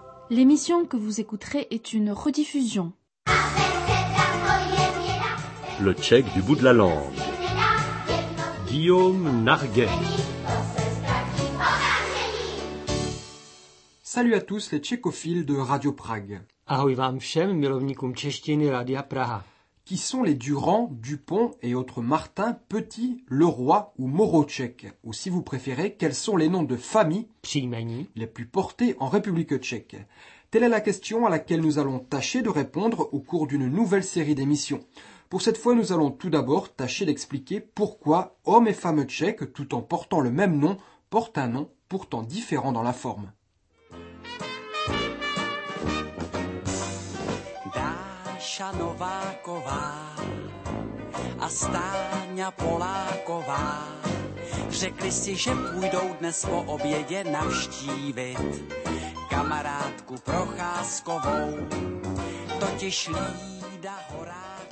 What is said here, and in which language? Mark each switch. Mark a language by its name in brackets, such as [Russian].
[French] L'émission que vous écouterez est une rediffusion. Le tchèque du bout de la langue. Guillaume Narguet. Salut à tous les tchécophiles de Radio Prague. [Czech] Ahoj vám všem, milovníkům češtiny Radia Praha. [French] Qui sont les Durand, Dupont et autres Martin, Petit, Leroy ou Moroček? Ou si vous préférez, quels sont les noms de famille, [Czech] příjmení, [French] les plus portés en République tchèque? Telle est la question à laquelle nous allons tâcher de répondre au cours d'une nouvelle série d'émissions. Pour cette fois, nous allons tout d'abord tâcher d'expliquer pourquoi hommes et femmes tchèques, tout en portant le même nom, portent un nom pourtant différent dans la forme. [Czech] Dáša Nováková a Stáňa Poláková řekli si, že půjdou dnes po obědě navštívit kamarádku Procházkovou, totiž Lída Horá.